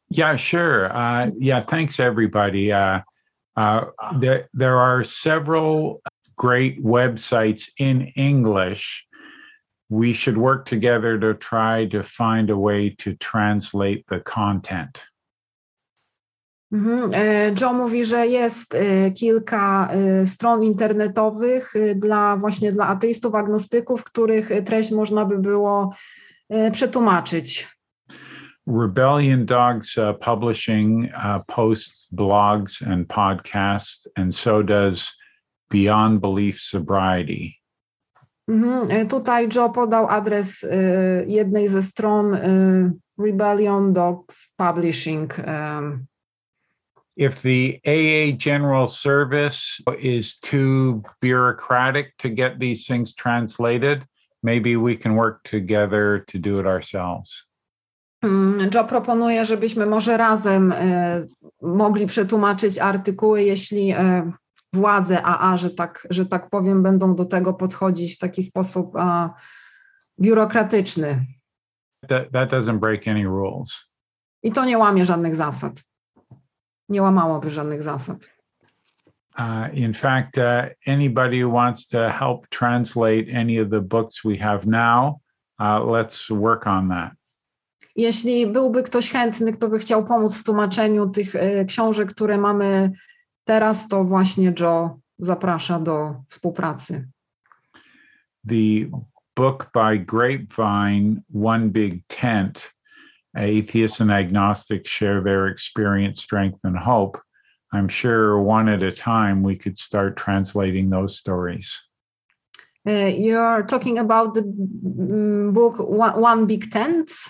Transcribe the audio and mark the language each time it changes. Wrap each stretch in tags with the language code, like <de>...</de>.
<en>Yeah, sure. Thanks, everybody. There are several great websites in English. We should work together to try to find a way to translate the content.</en> <pl>Joe mówi, że jest kilka stron internetowych dla ateistów, agnostyków, których treść można by było przetłumaczyć.</pl> <en>Rebellion Dogs Publishing posts blogs and podcasts, and so does Beyond Belief Sobriety.</en> <pl>Tutaj Joe podał adres jednej ze stron Rebellion Dogs Publishing.</pl> <en>If the AA General Service is too bureaucratic to get these things translated, maybe we can work together to do it ourselves.</en> <pl>Joe proponuje, żebyśmy może razem mogli przetłumaczyć artykuły, jeśli władze AA, że tak powiem, będą do tego podchodzić w taki sposób biurokratyczny.</pl> <en>That doesn't break any rules.</en> <pl>I to nie łamie żadnych zasad. Nie łamałoby żadnych zasad.</pl> <en>In fact, anybody who wants to help translate any of the books we have now, let's work on that.</en> <pl>Jeśli byłby ktoś chętny, kto by chciał pomóc w tłumaczeniu tych książek, które mamy teraz, to właśnie Joe zaprasza do współpracy.</pl> <en>The book by Grapevine, One Big Tent, Atheists and Agnostics Share Their Experience, Strength and Hope. I'm sure one at a time we could start translating those stories. You're talking about the book One Big Tent?</en>